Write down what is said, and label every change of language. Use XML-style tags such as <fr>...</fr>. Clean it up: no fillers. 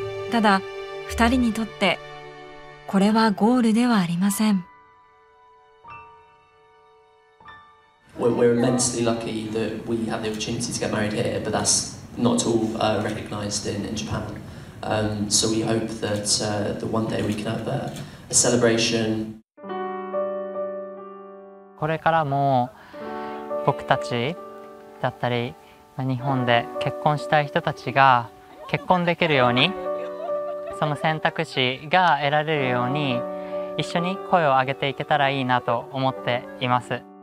<ja>ただ、二人にとってこれはゴールではありません。</ja> <en>We're immensely lucky that we had the opportunity to get married here, but that's not all recognized in Japan. So we hope that that one day we can have a celebration.</en> <ja>これからも僕たちだったり日本で結婚したい人たちが結婚できるように、その選択肢が得られるように一緒に声を上げていけたらいいなと思っています。</ja>